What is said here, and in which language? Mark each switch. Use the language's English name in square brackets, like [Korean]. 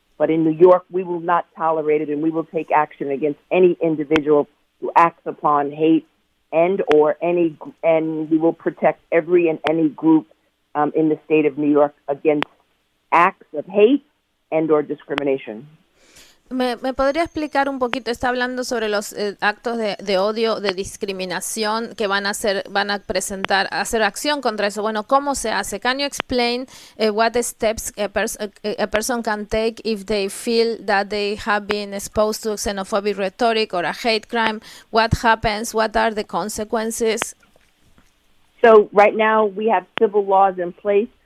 [English] But in New York, we will not tolerate it, and we will take action against any individual who acts upon hate and we will protect every and any group in the state of New York against acts of hate and or discrimination. [Spanish] ¿Me podría explicar un poquito? Está hablando sobre los actos de odio, de discriminación que van a hacer acción contra eso. Bueno, ¿cómo se hace? [English] Can you explain what steps a person can take if they feel that they have been exposed to xenophobic rhetoric or a hate crime? What happens? What are the consequences? So right now we have civil laws in place.